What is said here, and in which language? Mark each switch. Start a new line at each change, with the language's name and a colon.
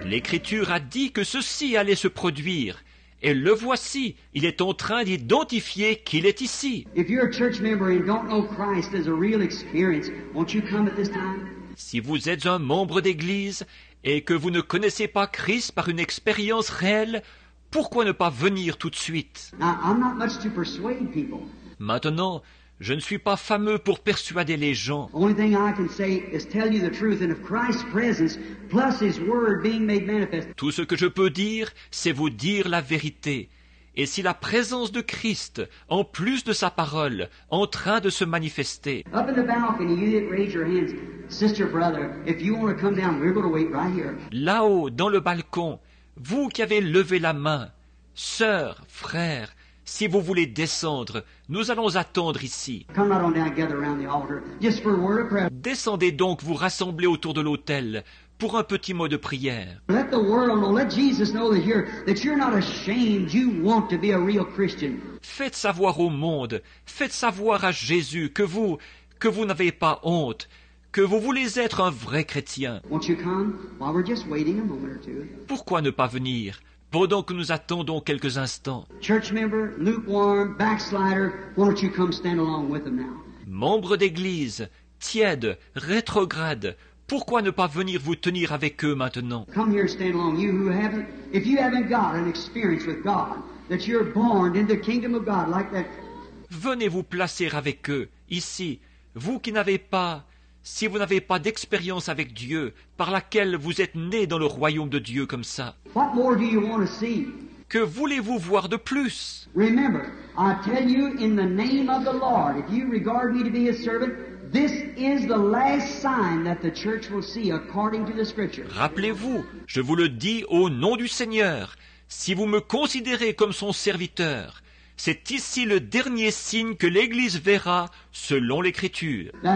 French: L'écriture a dit que ceci allait se produire. Et le voici, il est en train d'identifier qu'il est ici.
English: If you're a church member and don't know Christ as a real experience, won't you come at this time?
French: Si vous êtes un membre d'église et que vous ne connaissez pas Christ par une expérience réelle, pourquoi ne pas venir tout de suite?
English: Now, I'm not much to persuade people.
French: Maintenant, je ne suis pas fameux pour persuader les gens.
English: Only thing I can say is tell you the truth and of Christ's presence plus his word being made manifest.
French: Tout ce que je peux dire, c'est vous dire la vérité. Et si la présence de Christ, en plus de sa parole, en train de se manifester.
English: Up in the balcony, you that raise your hands, sister, brother, if you want to come down, we're going to wait right here.
French: Là-haut, dans le balcon, vous qui avez levé la main, sœur, frère, si vous voulez descendre, nous allons attendre ici.
English: Come right on down, gather around the altar, just for a word of prayer.
French: Descendez donc vous rassembler autour de l'autel pour un petit mot de prière.
English: Let the world know, let Jesus know that here that you're not ashamed, you want to be a real Christian.
French: Faites savoir au monde, faites savoir à Jésus que vous n'avez pas honte, que vous voulez être un vrai chrétien.
English: Won't you come while we're just waiting a moment or two?
French: Pourquoi ne pas venir? Pendant que nous attendons quelques instants.
English: Church member, lukewarm, backslider, why don't you come stand along with them now?
French: Membre d'église, tiède, rétrograde, pourquoi ne pas venir vous tenir avec eux maintenant?
English: Come here, stand along. You who haven't, if you haven't got an experience with God, that you're born in the kingdom of God like that.
French: Venez vous placer avec eux ici, vous qui n'avez pas. Si vous n'avez pas d'expérience avec Dieu, par laquelle vous êtes né dans le royaume de Dieu comme ça,
English: what more do you want to see?
French: Que voulez-vous voir de plus?
English: Remember, I tell you in the name of the Lord, if you regard me to be his servant, this is the last sign that the church will see according to the scripture.
French: Rappelez-vous, je vous le dis au nom du Seigneur, si vous me considérez comme son serviteur, c'est ici le dernier signe que l'Église verra selon l'Écriture.